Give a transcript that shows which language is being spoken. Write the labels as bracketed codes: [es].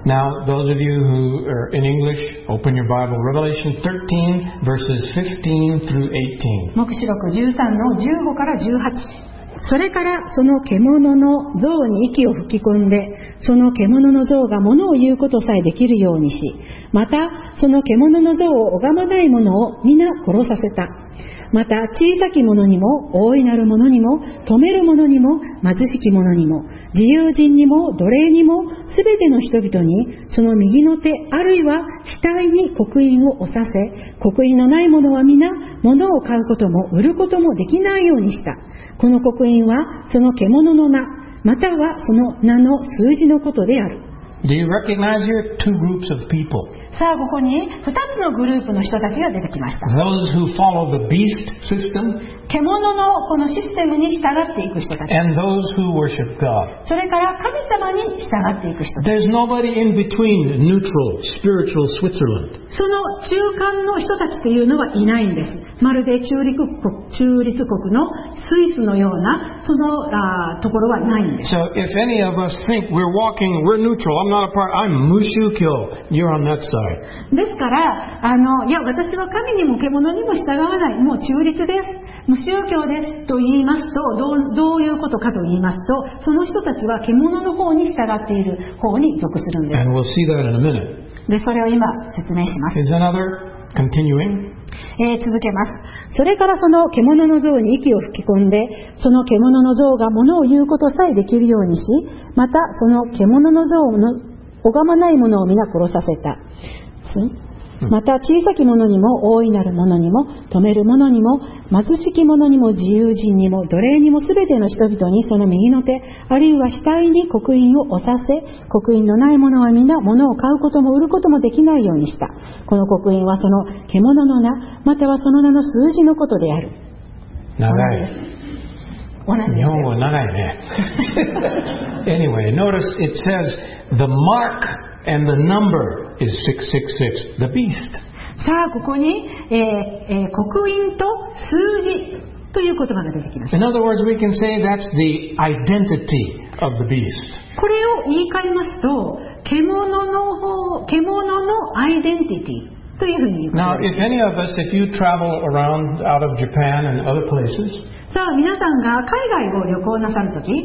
[en] Now, those of you who are in English, open your Bible, Revelation 13, verses 15 through 18. [ja] 黙示録13の15から18。それからその獣の像に息を吹き込んで、その獣の像が物を言うことさえできるようにし、またその獣の像を拝まない者を皆殺させた。また小さき者にも大いなる者にも富める者にも貧しき者にも自由人にも奴隷にもすべての人々にその右の手あるいは額に刻印を押させ、刻印のない者は皆物を買うことも売ることもできないようにした。この刻印はその獣の名またはその名の数字のことである。 [en] Do you recognize your two groups of people? [ja] さあここに2つのグループの人たちが出てきました。 [en] Those who follow the beast system, [ja] 獣のこのシステムに従っていく人たち、 [en] and those who worship God. [ja] それから神様に従っていく人たち。 [en] There's nobody in between neutral spiritual Switzerland. [ja] その中間の人たちというのはいないんです。まるで中立国のスイスのようなそのところはないんです。 [en] So if any of us think we're walking, we're neutral, I'm not a part, I'm 無宗教, you're on that side. [ja] ですからいや私は神にも獣にも従わない、もう中立です、無宗教ですと言いますと、どういうことかと言いますと、その人たちは獣の方に従っている方に属するんです。 [en] And we'll see that in a minute. [ja] でそれを今説明します。 [en] Is another Continuing. [ja] 続けます。それからその獣の像に息を吹き込んで、その獣の像が物を言うことさえできるようにし、またその獣の像の拝まない者を皆殺させた。また小さき者にも大いなる者にも止める者にも貧しき者にも自由人にも奴隷にも全ての人々にその右の手あるいは額に刻印を押させ、刻印のない者は皆物を買うことも売ることもできないようにした。この刻印はその獣の名またはその名の数字のことである。長い、日本語長いね。 [en] Anyway, notice it says the mark and the number is 666, the beast. [ja] さあここに、刻印と数字という言葉が出てきました。 [en] In other words, we can say that's the identity of the beast. [ja] これを言い換えますと、獣のアイデンティティというふうに言います。 [en] Now, if any of us, if you travel around out of Japan and other places, [ja] さあ皆さんが海外を旅行なさるとき、